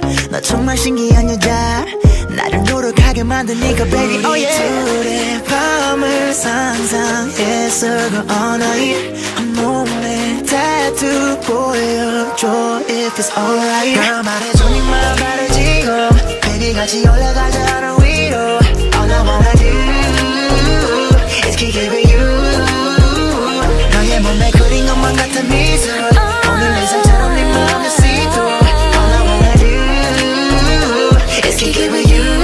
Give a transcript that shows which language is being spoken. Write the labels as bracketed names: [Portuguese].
[Korean] 너 정말 신기한 여자. 나를 노력하게 만드니까, baby. 우리 oh, yeah. 둘의 밤을 상상했어. 그 어느 일 한 몸에 tattoo 보여줘. [English] If it's alright. [Korean] 나 말해줘 네 마음 말해지고. Baby 같이 올라가자 하루 위로. [English] All I wanna do is keep giving you. [Korean] 너의 몸에 그린 것만 같은 미소. 오늘 내 삶처럼 네 마음을 [English] see through. All I wanna do is keep giving you.